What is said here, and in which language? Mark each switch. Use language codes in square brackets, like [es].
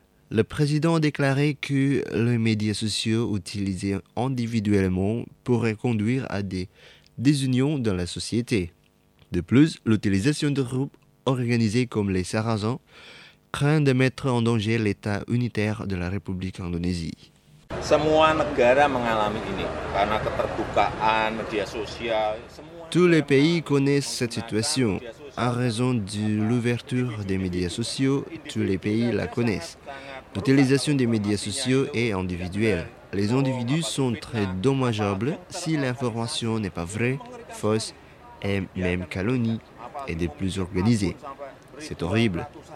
[fr] Le président a déclaré que les médias sociaux utilisés individuellement pourraient conduire à des désunions dans la société. De plus, l'utilisation de groupes organisés comme les Sarrazin craint de mettre en danger l'état unitaire de la République d'Indonésie. [id] Semua negara mengalami ini karena keterbukaan media sosial. [fr] Tous les pays connaissent cette situation. À raison de l'ouverture des médias sociaux, tous les pays la connaissent. L'utilisation des médias sociaux est individuelle. Les individus sont très dommageables si l'information n'est pas vraie, fausse et même calomnie et des plus organisées. C'est horrible.